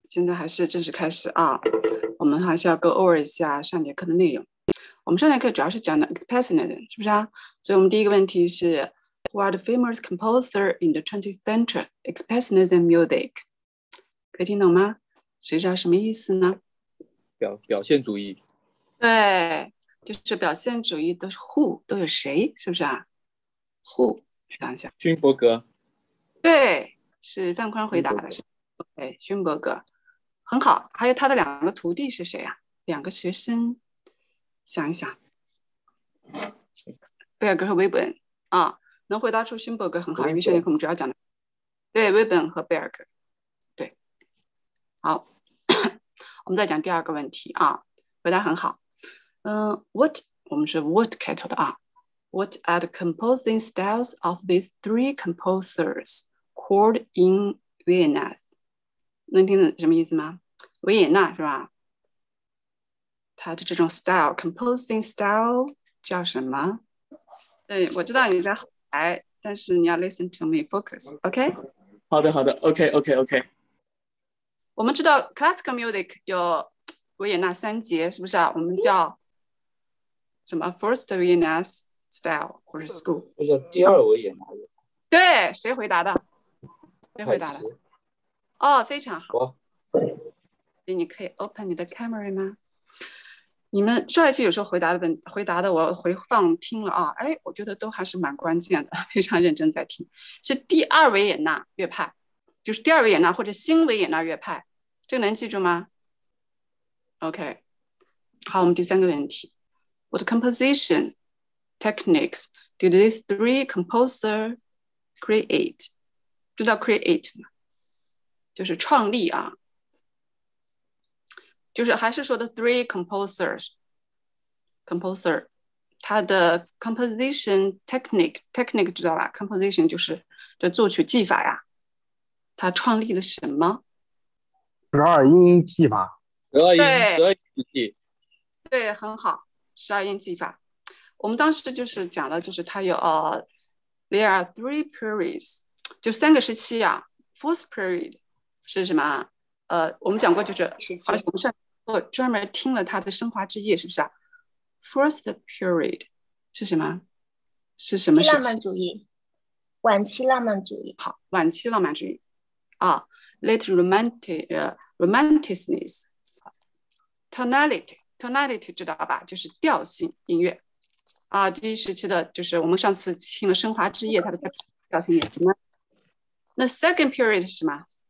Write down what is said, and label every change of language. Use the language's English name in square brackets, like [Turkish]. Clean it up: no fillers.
[Chinese] 现在还是正式开始啊，我们还是要 [English] go over [Chinese] 一下上节课的内容。我们上节课主要是讲的 expansionism 是不是啊？所以我们第一个问题是 [English] Who are the famous composer in the 20th century? Expansionism music [Chinese] 可以听懂吗？谁知道什么意思呢？表现主义。对，就是表现主义都是 [English] who [Chinese] 都有谁是不是啊？ [English] Who [Chinese] 想一想，勋伯格。对，是范宽回答的。哎，勋伯格很好。还有他的两个徒弟是谁啊？两个学生，想一想，贝尔格和威本啊，能回答出勋伯格很好。因为上节课我们主要讲的对威本和贝尔格，对，好我们再讲第二个问题啊，回答很好。 [English] What [Chinese] 我们是 [English] what [Chinese] 开头的啊。 [English] What are the composing styles of these three composers called in Vienna？ [Chinese] 能听懂什么意思吗？维也纳是吧？他的这种 [English] style composing style [Chinese] 叫什么？对，我知道你在后台，但是你要 [English] listen to me focus OK。 [Chinese] 好的好的 [English] OK [Chinese] 我们知道 [English] classical music [Chinese] 有维也纳三杰是不是啊？我们叫什么 [English] first Vienna style [Chinese] 或者 [English] school [Chinese] 不是第二维也纳？对，谁回答的？谁回答的？哦，非常好。你可以 [English] open [Chinese] 你的 [English] camera [Chinese] 吗？你们上一期有时候回答的我回放听了啊，哎，我觉得都还是蛮关键的，非常认真在听。是第二维也纳乐派，就是第二维也纳或者新维也纳乐派，这个能记住吗？ [English] OK， [Chinese] 好，我们第三个问题。 [English] What composition techniques did these three composers create？ [Chinese] 知道 [English] create [Chinese] 吗？就是创立啊，就是还是说的 [English] three composer [Chinese] 他的 [English] composition technique [Chinese] 知道吧？ [English] composition [Chinese] 就是这作曲技法呀，他创立了什么？十二音技法。十二音技。对，很好，十二音技法。我们当时就是讲了，就是他有 [English] there are three periods， [Chinese] 就三个时期啊。 [English] first period [Chinese] 是什么？我们讲过，就是好像我们上专门听了他的升华之夜，是不是啊？ [English] First period [Chinese] 是什么？是什么时期？浪漫主义，晚期浪漫主义。好，晚期浪漫主义啊。 [English] Late romanticness， tonality [Chinese] 知道吧？就是调性音乐啊。第一时期的就是我们上次听了升华之夜，它的调性音乐。那 [English] second period [Chinese] 是什么？